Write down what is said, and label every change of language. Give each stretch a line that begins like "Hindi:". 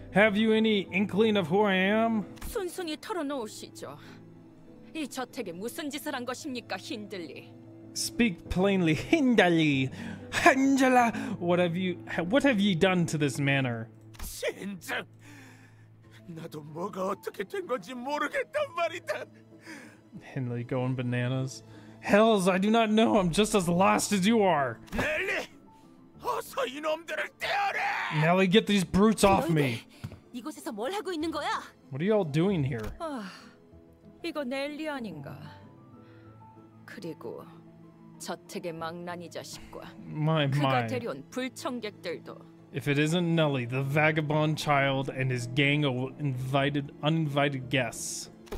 English: Have you any inkling of who I am?
Korean: 순순히 털어놓으시죠. 이 저택에 무슨 짓을 한 것입니까, 힌들리?
English: Speak plainly, 힌들리. Angela, what have you done to this manor?
Korean: 진짜 나도 뭐가 어떻게 된 건지 모르겠단 말이다.
English: Hindley going bananas. Hells, I do not know. I'm just as lost as you are.
Korean: Nelly, 어서 이놈들을 떼어라.
English: Nelly, get these brutes off me.
Korean: 이곳에서 뭘 하고 있는 거야?
English: What are you all doing here?
Korean: 이거 넬리 아닌가? 그리고 저택의 망나니 자식과 그가 데려온 불청객들도.
English: If it isn't Nelly, the vagabond child and his gang of uninvited guests.